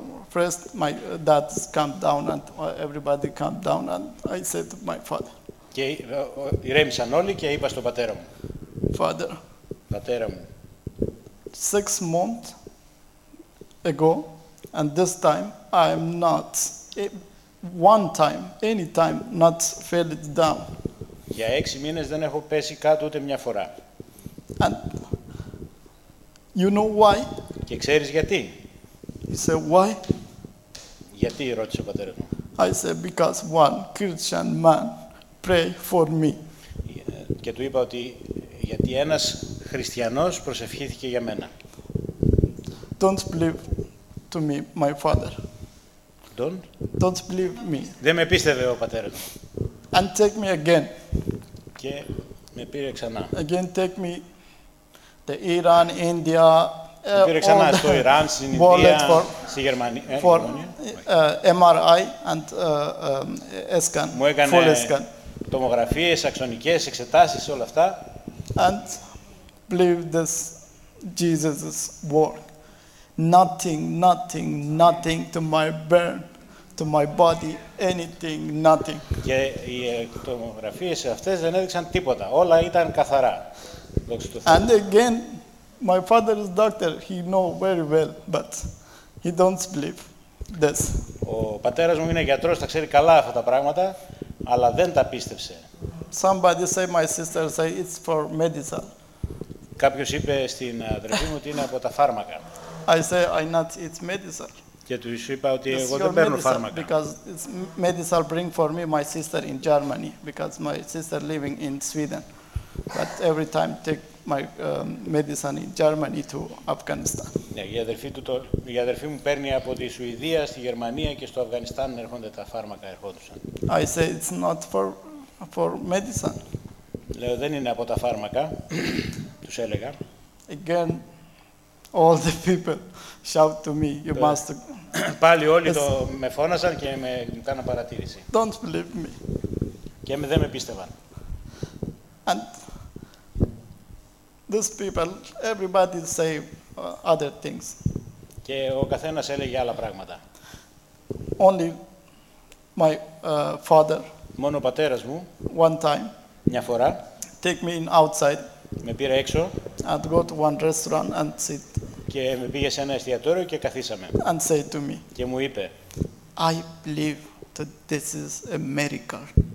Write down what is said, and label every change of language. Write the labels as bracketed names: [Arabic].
[English] First my dad calmed down and everybody calmed down and I said to my father. [Greek] Και ηρέμησαν όλοι και είπα στον πατέρα μου. [English] Father. [Greek] Πατέρα μου. [English] 6 months ago, and this time I'm not one time, any time, not fell it down. [Greek] Για 6 μήνες δεν έχω πέσει κάτω ούτε μια φορά. [English] And you know why? [Greek] Και ξέρεις γιατί? [English] He said why? [Greek] Γιατί ρώτησε ο πατέρας μου. [English] I said because one Christian man pray for me. [Greek] Και του είπα ότι γιατί ένας Χριστιανός προσευχήθηκε για μένα. [English] Don't believe to me, my father. Don't believe me. [Greek] Δεν με πίστευε ο πατέρας μου. [English] And take me again. [Greek] Και με πήρε ξανά. [English] Again take me to Iran, India. [Greek] Με πήρε ξανά στο Ιράν, στην Ινδία, στη Γερμανία. [English] For MRI and scan. [Greek] Μου έκανε τομογραφίες, αξονικές, εξετάσεις, όλα αυτά. [English] and believe this Jesus' work. Nothing to my burn, to my body, anything, nothing. [Greek] Και οι εκτομογραφίες αυτές δεν έδειξαν τίποτα. Όλα ήταν καθαρά. [English] And again, my father is doctor. He know very well, but he don't believe this. [Greek] Ο πατέρας μου είναι γιατρός, τα ξέρει καλά αυτά τα πράγματα, αλλά δεν τα πίστευσε. [English] Somebody say my sister say it's for medicine. [Greek] Κάποιος είπε στην αδερφή μου ότι είναι από τα φάρμακα. [English] I say I not it's medicine. [Greek] Και του είπα ότι εγώ δεν παίρνω φάρμακα. [English] Because it's medicine bring for me my sister in Germany because my sister living in Sweden. But every time take my medicine in Germany to Afghanistan. [Greek] Η αδερφή μου παίρνει από τη Σουηδία στη Γερμανία και στο Αφγανιστάν έρχονται τα φάρμακα ερχόντουσαν. [English] I say it's not for medicine. [Greek] Λέω δεν είναι από τα φάρμακα. Τους έλεγα. [English] Again, all the people shout to me, you must. [Greek] Πάλι όλοι το με φώνασαν και με κάναν παρατήρηση. [English] Don't believe me. [Greek] Και δεν με πίστευαν. [English] And these people, everybody say other things. [Greek] Και ο καθένας έλεγε άλλα πράγματα. [English] Only my father. [Greek] Μόνο ο πατέρας μου. [English] One time. [Greek] Μια φορά. [English] Take me in outside. [Greek] Με πήρε έξω. [English] And go to one restaurant and sit. [Greek] Και με πήγε σε ένα εστιατόριο και καθίσαμε. [English] And say to me. [Greek] Και μου είπε. [English] I believe that this is a miracle.